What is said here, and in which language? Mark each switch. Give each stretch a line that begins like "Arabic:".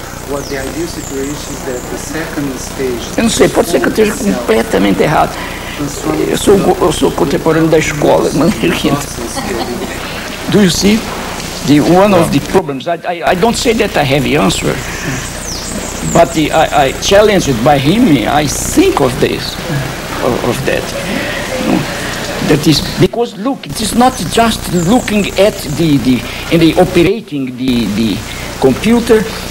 English: What the ideal situation is that the second stage.
Portuguese: Eu não sei, pode ser que eu esteja completamente errado. Eu sou contemporâneo da escola, mano.
English: Do you see the one of the problems? I don't say that I have the answer, but I challenged by him. I think of this, of that. That is because look, it is not just looking at the operating the computer.